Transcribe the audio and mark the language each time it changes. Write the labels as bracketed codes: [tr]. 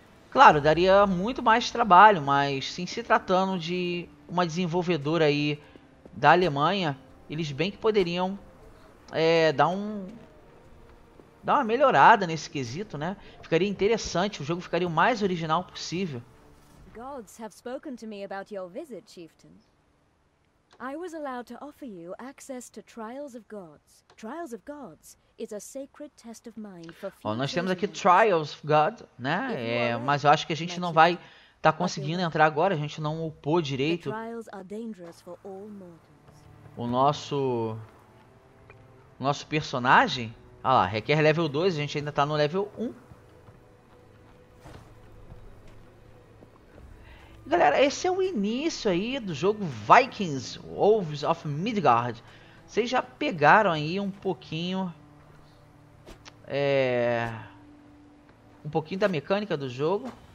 [pt] Claro, daria muito mais trabalho, mas sim, se tratando de uma desenvolvedora aí da Alemanha, eles bem que poderiam dar uma melhorada nesse quesito, né? Ficaria interessante, o jogo ficaria o mais original possível. [en] Gods have spoken to me about your visit, chieftain. I was allowed to offer you access to Trials of Gods. Trials of Gods is a sacred test of mind for future. [pt] Bom, nós temos aqui Trials of God, né? Mas eu acho que a gente não vai estar conseguindo entrar agora, a gente não upou direito. [en] Trials are dangerous for all mortals. [pt] Nosso personagem, olha lá, requer level 2, a gente ainda tá no level 1. Galera, esse é o início aí do jogo Vikings, Wolves of Midgard. Vocês já pegaram aí um pouquinho da mecânica do jogo.